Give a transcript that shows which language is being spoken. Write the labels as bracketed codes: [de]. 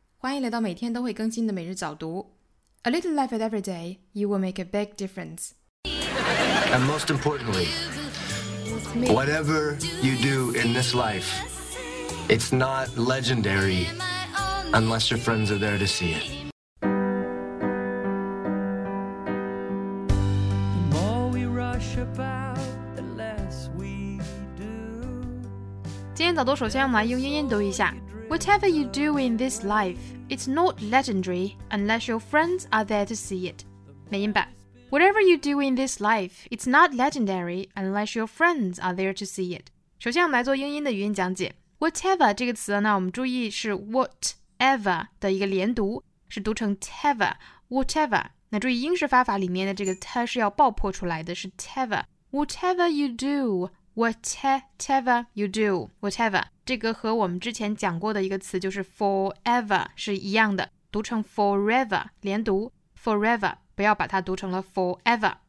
[zh] 欢迎来到每天都会更新的每日早读。 [en] A little life at every day, you will make a big difference. And most importantly, whatever you do in this life, it's not legendary unless your friends are there to see it. The more we rush about, the less we do. [zh] 今天早读首先我们来用英音读一下。 [en] Whatever you do in this life, it's not legendary unless your friends are there to see it. 美音版 Whatever you do in this life, it's not legendary unless your friends are there to see it. [zh] 首先我们来做英音的语音讲解。 Whatever 这个词呢，我们注意是 whatever 的一个连读，是读成 tever, whatever。那注意英式发法里面的这个 t 是要爆破出来的，是 tever。 Whatever you do,Whatever you do, whatever 这个和我们之前讲过的一个词就是 forever 是一样的，读成 forever 连读 forever， 不要把它读成了 forever。